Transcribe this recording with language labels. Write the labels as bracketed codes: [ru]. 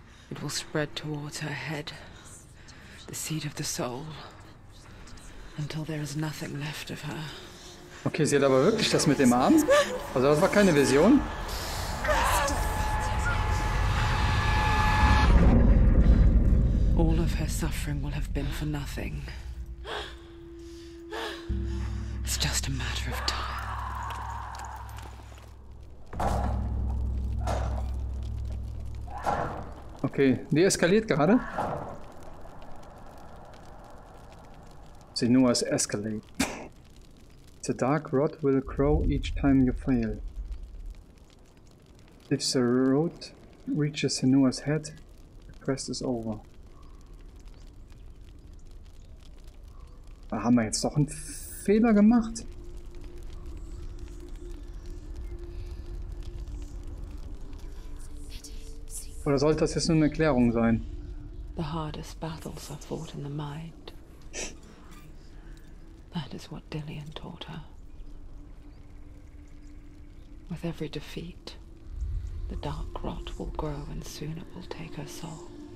[en] It will spread towards her head, the seed of the soul, until there is nothing left of her. [de] Okay, sie hat aber wirklich das mit dem Arm? Also das war keine Vision? [en] All of her suffering will have been for nothing. It's just a matter of time. [de] Okay, die eskaliert gerade. Senua's escalate. [en] The dark rot will grow each time you fail. If the rot reaches Senua's head, the quest is over. [de] Da haben wir jetzt doch einen Fehler gemacht. Oder sollte das jetzt nur eine Erklärung sein? [en] The hardest battles are fought in the mind. That is what Dillian taught her. With every defeat, the dark rot will grow and soon it will take her soul.